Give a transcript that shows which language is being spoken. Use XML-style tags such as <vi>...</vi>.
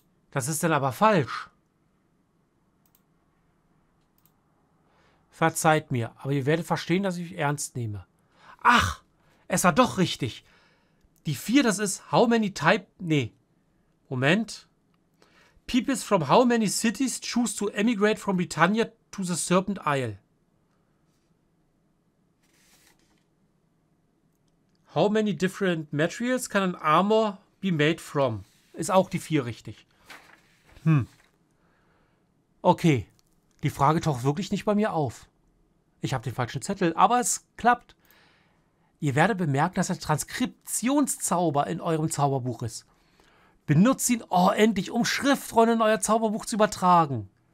<de>Das ist dann aber falsch. Verzeiht mir, aber ihr werdet verstehen, dass ich mich ernst nehme. Ach, es war doch richtig. Die 4, das ist</de> <en>how many type.</en> <de>Nee. Moment.</de> <en>People from how many cities choose to emigrate from Britannia to the Serpent Isle? How many different materials can an armor be made from?</en> <de>Ist auch die 4 richtig. Okay. Die Frage taucht wirklich nicht bei mir auf. Ich habe den falschen Zettel, aber es klappt. Ihr werdet bemerken, dass der Transkriptionszauber in eurem Zauberbuch ist. Benutzt ihn, oh, endlich, um Schriftrollen in euer Zauberbuch zu übertragen.</de>